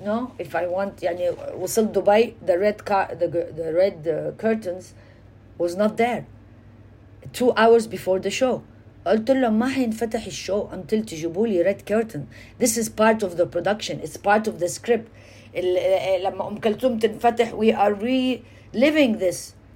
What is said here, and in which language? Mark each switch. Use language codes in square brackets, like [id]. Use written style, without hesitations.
[en] No, if I want, [ar] يعني وصلت دبي, [en] the red curtains was not there. 2 hours before the show. [ar] قلت لهم ما حينفتح الشو [en] until [ar] تجيبوا لي red curtain. [en] This is part of the production. It's part of the script. [ar] لما أم كلثوم تنفتح, [en] we are reliving this.